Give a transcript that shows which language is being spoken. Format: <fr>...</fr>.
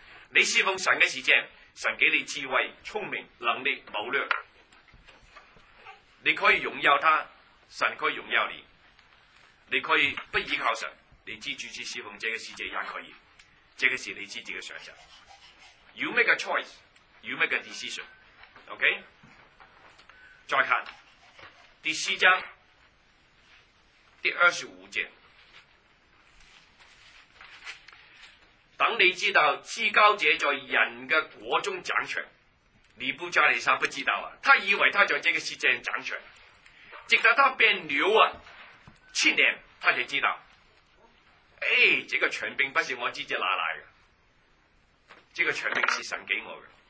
<zh>你侍奉神的时间，神给你智慧、聪明、能力、谋略，你可以荣耀他，神可以荣耀你。你可以不依靠神，你自己去侍奉这个世界也可以，这个是你自己的选择。</zh> <en>You make a choice, you make a decision.</en> <zh>OK， 再看第四章第二十五节，等你知道至高者在人的国中掌权，尼布加利沙不知道啊，他以为他在这个世界掌权，直到他变牛啊，七年他就知道，哎，这个权柄不是我自己拿来的，这个权柄是神给我的。</zh>